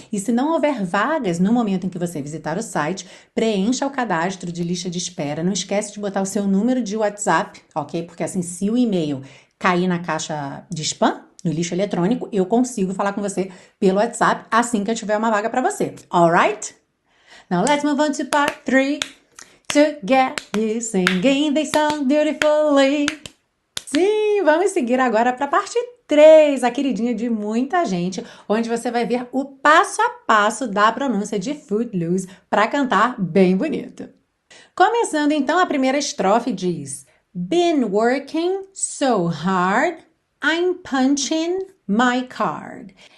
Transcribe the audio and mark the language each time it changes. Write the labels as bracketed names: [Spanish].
[Portuguese] E se não houver vagas no momento em que você visitar o site, preencha o cadastro de lista de espera. Não esquece de botar o seu número de WhatsApp, ok? Porque assim, se o e-mail cair na caixa de spam, no lixo eletrônico, eu consigo falar com você pelo WhatsApp assim que eu tiver uma vaga para você. All right? [English] Now let's move on to part three. To get you singing the song beautifully. [Portuguese] Sim, vamos seguir agora para a parte 3, a queridinha de muita gente, onde você vai ver o passo a passo da pronúncia de Footloose para cantar bem bonito. Começando então, a primeira estrofe diz: [English] Been working so hard, I'm punching my card.